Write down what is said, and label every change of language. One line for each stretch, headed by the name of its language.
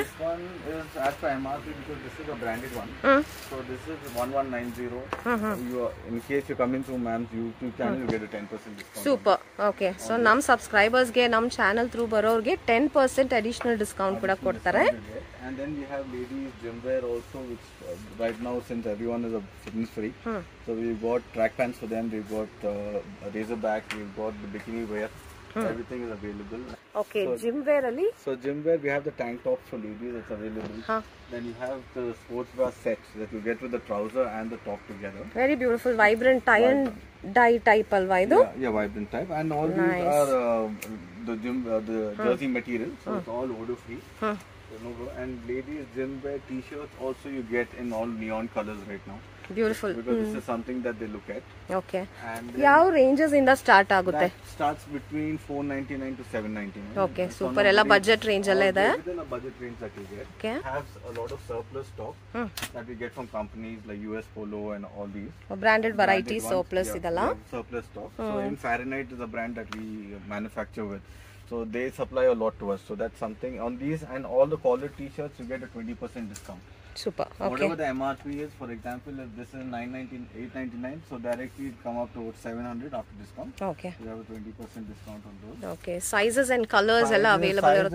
English: This one is as per MRP because this is a branded one. So this is 1190. You are, in case you come into ma'am's YouTube channel, you get a 10% discount. Super. Okay.
Kannada: So ನಮ್ಮ subscribers ಗೆ, ನಮ್ಮ channel through ಬರೋರ್ಗೆ 10% additional discount ಕೂಡ ಕೊಡ್ತಾರೆ.
English: And then we have ladies gym wear also, which right now since everyone is a fitness freak, so we've got track pants for them, we've got razor back, we've got the bikini wear. Everything is available. Okay, so gym wear ali? So gym wear, we have the tank top for ladies, it's available. Then you have the sports bra set that you get with the trouser and the top together. Very beautiful, vibrant tie and dye type
Kannada: alwa idu?
English: Yeah, vibrant type. And all nice. These are the gym, the jersey material, so it's all odor free. And ladies gym wear t-shirts also you get in all neon colors right now. Beautiful something that they look at
Kannada: okay ಯಾವ ranges ಇಂದ start ಆಗುತ್ತೆ
English: starts between 499 to 799
Kannada: okay super ಎಲ್ಲ budget range ಅಲ್ಲೇ ಇದೆ ಇದೆಲ್ಲ budget range ಅಲ್ಲಿ ಇದೆ
English: okay haves a lot of surplus stock that we get from companies like US Polo and all these
Kannada: branded varieties surplus ಇದಲ್ಲ
English: Surplus stock so in Forinite is a brand that we manufacture with So they supply a lot to us. So that's something on these and all the collar t-shirts, you get a 20% discount. Super. So okay. Whatever the MRP is, for example, if this is 899, so directly it come up to 700 after discount. Okay. So you have a 20% discount on those. Okay. Sizes and colors are available.